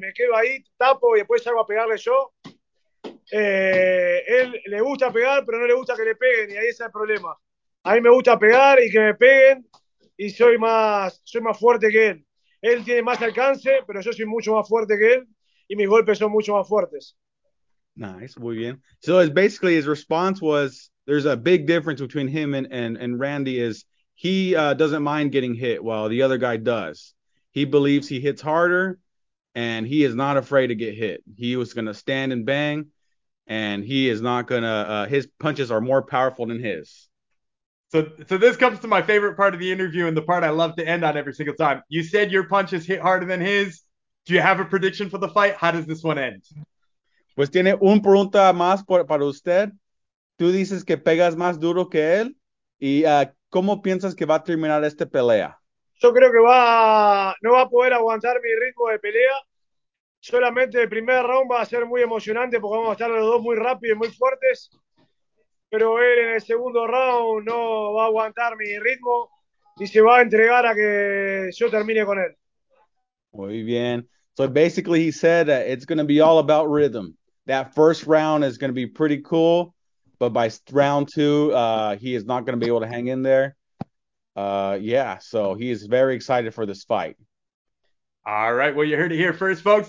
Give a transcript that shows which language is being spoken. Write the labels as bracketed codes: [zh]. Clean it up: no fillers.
[es] Me quedo ahí, tapo y después salgo a pegarle yo. Él le gusta pegar, pero no le gusta que le peguen. Y ahí está el problema. A mí me gusta pegar y que me peguen. Y soy más fuerte que él. Él tiene más alcance, pero yo soy mucho más fuerte que él. Y mis golpes son mucho más fuertes. [en] Nice, [es] muy bien. [en] So it's basically his response was, there's a big difference between him and Randy is, he doesn't mind getting hit while the other guy does. He believes he hits harder, and he is not afraid to get hit. He was going to stand and bang, and he is not going to – his punches are more powerful than his. So this comes to my favorite part of the interview and the part I love to end on every single time. You said your punches hit harder than his. Do you have a prediction for the fight? How does this one end? [es] Pues tiene una pregunta más para usted. Tú dices que pegas más duro que él, ¿cómo piensas que va a terminar esta pelea? Yo creo que no va a poder aguantar mi ritmo de pelea. Solamente el primer round va a ser muy emocionante porque vamos a estar los dos muy rápidos y muy fuertes. Pero él en el segundo round no va a aguantar mi ritmo y se va a entregar a que yo termine con él. Muy bien. [en] So basically he said that it's going to be all about rhythm. That first round is going to be pretty cool. But by round two, he is not going to be able to hang in there. So he is very excited for this fight. All right. Well, you heard it here first, folks.